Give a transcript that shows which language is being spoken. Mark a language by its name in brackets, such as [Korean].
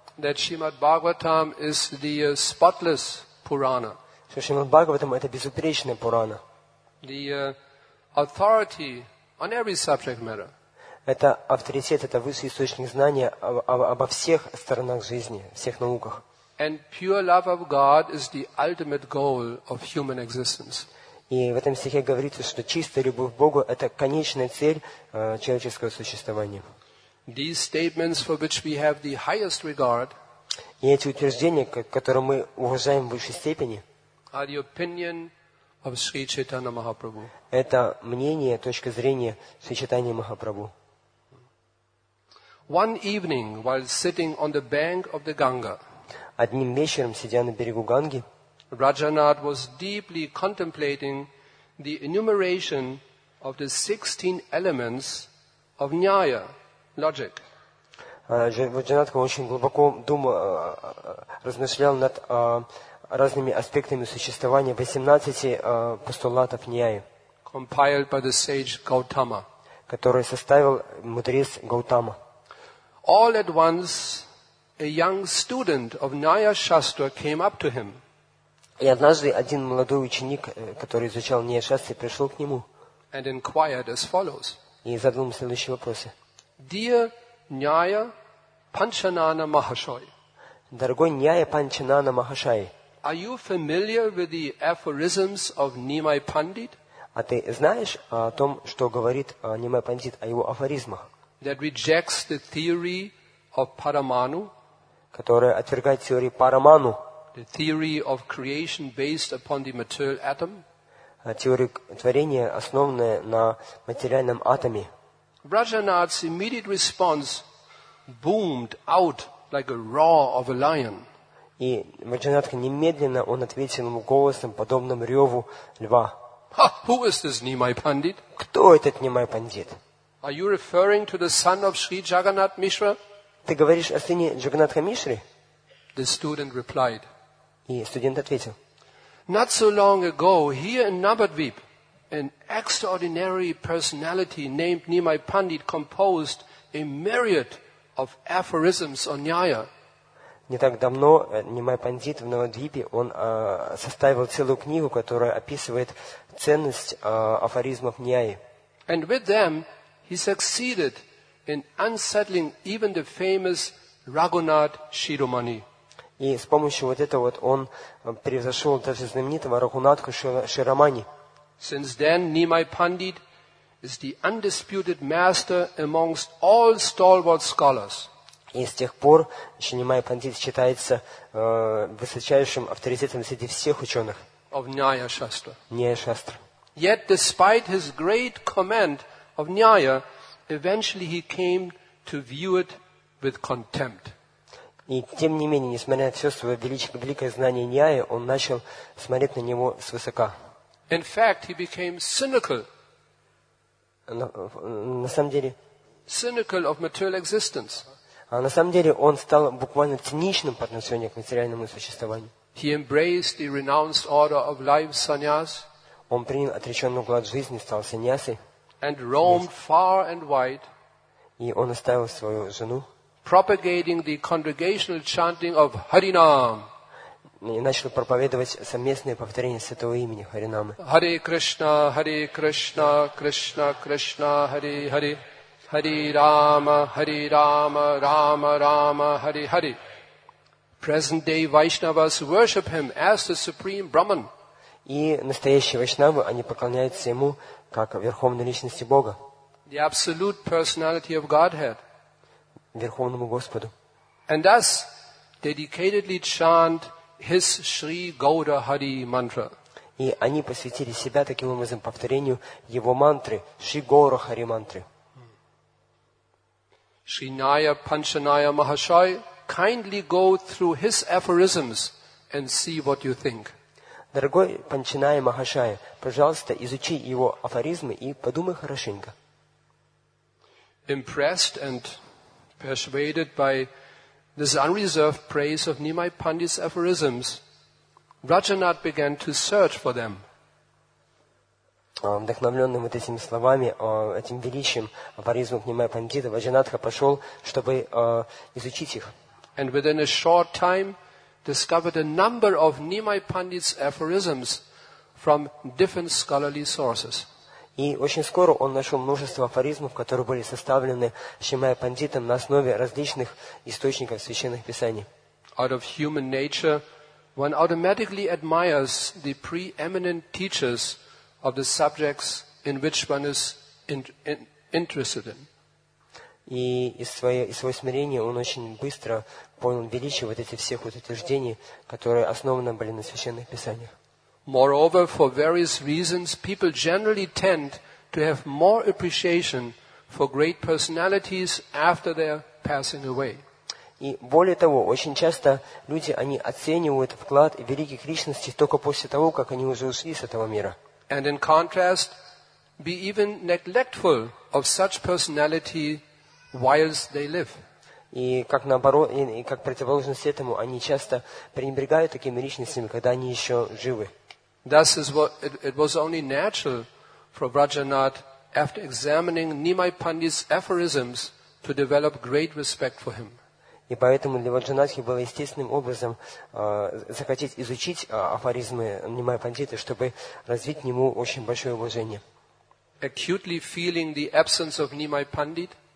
[English] That Shrimad Bhagavatam is the spotless Purana. [Russian] Что Shrimad Bhagavatam это безупречная Пурана. [English] The authority on every subject matter. [Russian] Это авторитет, это высший источник знания обо всех сторонах жизни, всех науках. [English] And pure love of God is the ultimate goal of human existence. [Russian] И в этом стихе говорится, что чистая любовь к Богу это конечная цель человеческого существования. [English] These statements for which we have the highest regard. [Russian] И эти утверждения, которые мы уважаем в высшей степени. [English] Are the opinion of Sri Chaitanya Mahaprabhu. [Russian] Это мнение, точка зрения Sri Chaitanya Mahaprabhu. [English] One evening, while sitting on the bank of the Ganga. [Russian] одним вечером, сидя на берегу Ганги, [English] Rajanath was deeply contemplating the enumeration of the 16 elements of Nyaya, logic. [Russian] Раджанатха очень глубоко размышлял над разными аспектами существования 18 постулатов Ньяи, [English] compiled by the sage Gautama, [Russian] который составил мудрец Гаутама. [English] All at once, a young student of Nyaya Shastra came up to him. [Russian] И однажды один молодой ученик, который изучал Нья Шастры, пришел к нему [English] and inquired as follows. [Russian] И задал ему следующие вопросы. [English] Dear Nyaya Panchanana Mahashoy, [Russian] дорогой Nyaya Panchanana Mahashoy, [English] are you familiar with the aphorisms of Nimai Pandit? [Russian] А ты знаешь о том, что говорит Nimai Pandit, о его афоризмах? [English] That rejects the theory of Paramanu, [Russian] которая отвергает теорию Параману, [English] the theory of creation based upon the material atom, [Russian] теория творения, основанная на материальном атоме. [English] Rajanath's immediate response boomed out like a roar of a lion. [Russian] И Раджанатха немедленно он ответил ему голосом, подобным реву льва. [English] Ha, who is this Nimai Pandit? [Russian] Кто этот Nimai Pandit? [English] Are you referring to the son of Sri Jagannath Mishra? [Russian] Ты говоришь о сыне Джагнатха Мишри? [English] The student replied. [Russian] И студент ответил. [English] Not so long ago, here in Nabadweep, an extraordinary personality named Nimai Pandit composed a myriad of aphorisms on Nyaya. [Russian] Не так давно Nimai Pandit в Навадвипе он составил целую книгу, которая описывает ценность афоризмов Ньяи. [English] And with them he succeeded in unsettling even the famous Raghunath Shiromani. [Russian] И с помощью вот этого вот он превзошел даже знаменитого Рагунатху Ширамани. [English] Since then, Nimai Pandit is the undisputed master amongst all stalwart scholars. [Russian] И с тех пор Нимай Пандит считается высочайшим авторитетом среди всех ученых. [English] Of Nyaya Shastra. [Russian] Nyaya Shastra. [English] Yet, despite his great command of Nyaya, eventually he came to view it with contempt. [Russian] И тем не менее, несмотря на все свое великое знание Ньяи, он начал смотреть на него свысока. [English] In fact, he became cynical. [Russian] На самом деле, [English] cynical of material existence. [Russian] А на самом деле он стал буквально циничным по отношению к материальному существованию. [English] He embraced the renounced order of life, sannyas. [Russian] Он принял отреченный уклад жизни, стал саньясой. [English] And roamed far and wide. [Russian] И он оставил свою жену. [English] Propagating the congregational chanting of Harinam. [Russian] И начал проповедовать совместное повторение святого имени Харинамы. [Sanskrit] Hare Krishna, Hare Krishna, Krishna Krishna, Hare Hare. Hare Rama, Hare Rama, Rama Rama, Hare Hare. [English] Present-day Vaishnavas worship him as the supreme Brahman. [Russian] И настоящие вайшнавы, они поклоняются ему как верховной личности Бога. [English] The absolute personality of Godhead. [Russian] Верховному Господу. [English] And thus dedicatedly chant his Shri Gaura Hari mantra. [Russian] И они посвятили себя таким образом повторению его мантры Шри Гаура Хари мантры. [English] Shri Nyaya Panchanaya Mahashoy, kindly go through his aphorisms and see what you think. [Russian] Дорогой Панчанаи Махашай, пожалуйста, изучи его афоризмы и подумай хорошенько. [English] Impressed and persuaded by this unreserved praise of Nimai Pandit's aphorisms, Rajanath began to search for them. [Russian] Вдохновленный вот этими словами, этим величием афоризмов Нимай Пандита, Раджанатха пошел, чтобы изучить их. [English] And within a short time, discovered a number of Nimai Pandit's aphorisms from different scholarly sources. [Russian] И очень скоро он нашел множество афоризмов, которые были составлены Нимай Пандитом на основе различных источников священных писаний. [English] Out of human nature, one automatically admires the preeminent teachers of the subjects in which one is interested in. [Russian] И из своего смирения он очень быстро понял величие вот этих всех вот утверждений, которые основаны были на священных писаниях. [English] Moreover, for various reasons, people generally tend to have more appreciation for great personalities after their passing away. [Russian] И более того, очень часто люди, они оценивают вклад великих личностей только после того, как они уже ушли с этого мира. [English] And in contrast, be even neglectful of such personality whilst they live. [Russian] И как наоборот, и как противоположность этому, они часто пренебрегают такими личностями, когда они еще живы. [English] Thus is what it was only natural for Vrajanath, after examining Nimai Pandit's aphorisms, to develop great respect for him. [Russian] И поэтому для Ваджанатхи было естественным образом захотеть изучить афоризмы Нимай Пандиты, чтобы развить к нему очень большое уважение. [English] Acutely feeling the absence of Nimai Pandit,